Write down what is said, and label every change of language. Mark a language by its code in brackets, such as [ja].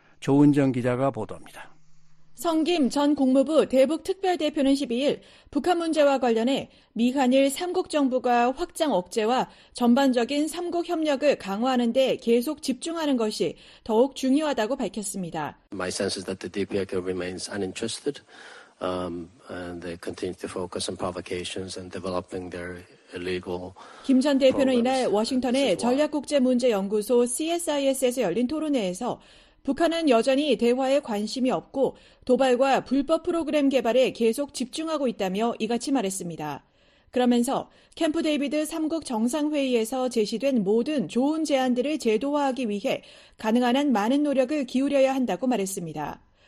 [ko] 조은정 기자가 보도합니다. 성김 전 국무부 대북특별대표는 12일 북한 문제와 관련해 미한일 3국 정부가 확장 억제와 전반적인 3국 협력을 강화하는 데 계속 집중하는 것이 더욱 중요하다고 밝혔습니다. [en] My sense is that the DPRK remains uninterested and they continue to focus on provocations and developing their [ko] 김 전 대표는 이날 워싱턴의 전략국제문제연구소 CSIS에서 열린 토론회에서 북한은 여전히 대화에 관심이 없고 도발과 불법 프로그램 개발에 계속 집중하고 있다며 이같이 말했습니다. 그러면서 캠프 데이비드 3국 정상회의에서 제시된 모든 좋은 제안들을 제도화하기 위해 가능한 한 많은 노력을 기울여야 한다고 말했습니다.